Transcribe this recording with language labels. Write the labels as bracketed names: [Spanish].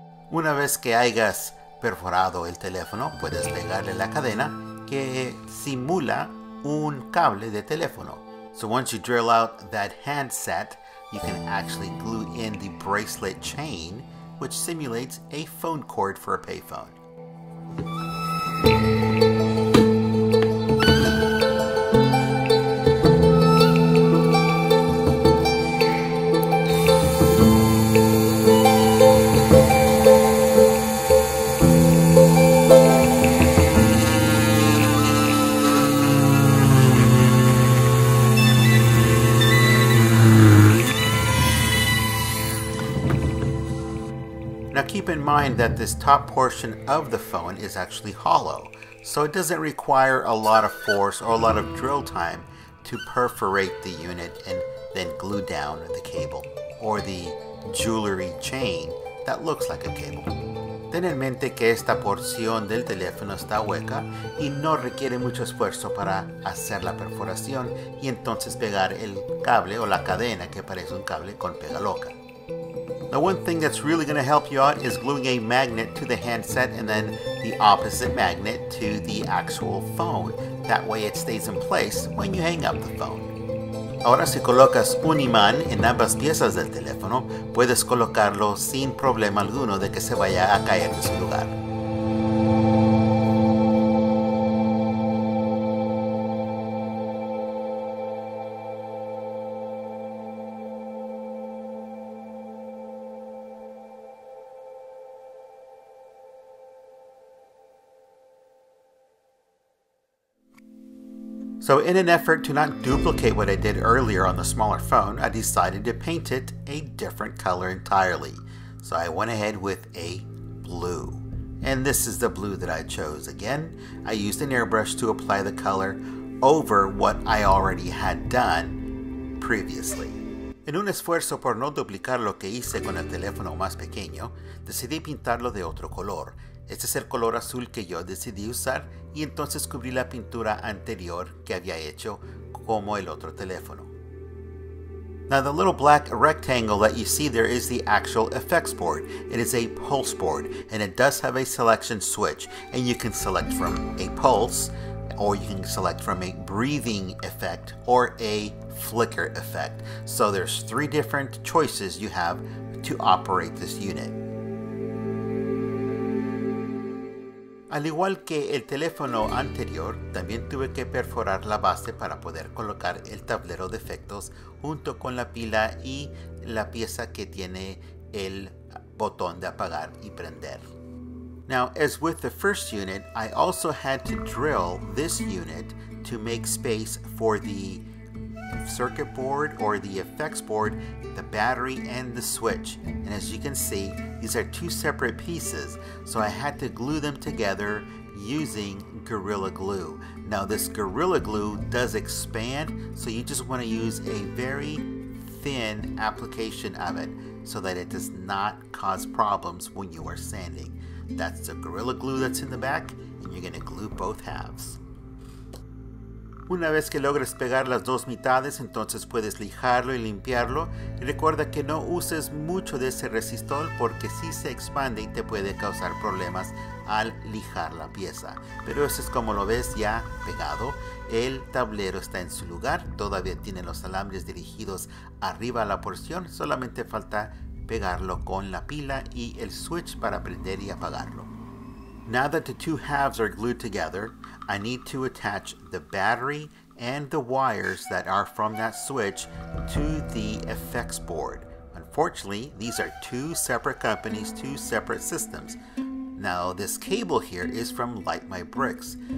[Spanish] Una vez que hayas perforado el teléfono, puedes pegarle la cadena que simula un cable de teléfono. [English] So once you drill out that handset, you can actually glue in the bracelet chain, which simulates a phone cord for a payphone. Keep in mind that this top portion of the phone is actually hollow, so it doesn't require a lot of force or a lot of drill time to perforate the unit and then glue down the cable or the jewelry chain that looks like a cable. [Spanish] Ten en mente que esta porción del teléfono está hueca y no requiere mucho esfuerzo para hacer la perforación y entonces pegar el cable o la cadena que parece un cable con pega loca. [English] Now, one thing that's really going to help you out is gluing a magnet to the handset and then the opposite magnet to the actual phone. That way it stays in place when you hang up the phone. [Spanish] Ahora, si colocas un imán en ambas piezas del teléfono, puedes colocarlo sin problema alguno de que se vaya a caer de su lugar. [English] So in an effort to not duplicate what I did earlier on the smaller phone, I decided to paint it a different color entirely. So I went ahead with a blue. And this is the blue that I chose. Again, I used an airbrush to apply the color over what I already had done previously. [Spanish] En un esfuerzo por no duplicar lo que hice con el teléfono más pequeño, decidí pintarlo de otro color. Este es el color azul que yo decidí usar y entonces cubrí la pintura anterior que había hecho como el otro teléfono. [English] Now the little black rectangle that you see there is the actual effects board. It is a pulse board and it does have a selection switch and you can select from a pulse or you can select from a breathing effect or a flicker effect. So there's three different choices you have to operate this unit. [Spanish] Al igual que el teléfono anterior, también tuve que perforar la base para poder colocar el tablero de efectos junto con la pila y la pieza que tiene el botón de apagar y prender. [English] Now, as with the first unit, I also had to drill this unit to make space for the circuit board or the effects board, the battery and the switch. And as you can see, these are two separate pieces, so I had to glue them together using Gorilla Glue. Now this Gorilla Glue does expand, so you just want to use a very thin application of it so that it does not cause problems when you are sanding. That's the Gorilla Glue that's in the back, and you're going to glue both halves. [Spanish] Una vez que logres pegar las dos mitades, entonces puedes lijarlo y limpiarlo. Y recuerda que no uses mucho de ese resistol porque sí se expande y te puede causar problemas al lijar la pieza. Pero eso es como lo ves ya pegado. El tablero está en su lugar. Todavía tiene los alambres dirigidos arriba a la porción. Solamente falta pegarlo con la pila y el switch para prender y apagarlo. [English] Now that the two halves are glued together, I need to attach the battery and the wires that are from that switch to the effects board. Unfortunately, these are two separate companies, two separate systems. Now, this cable here is from Light My Bricks.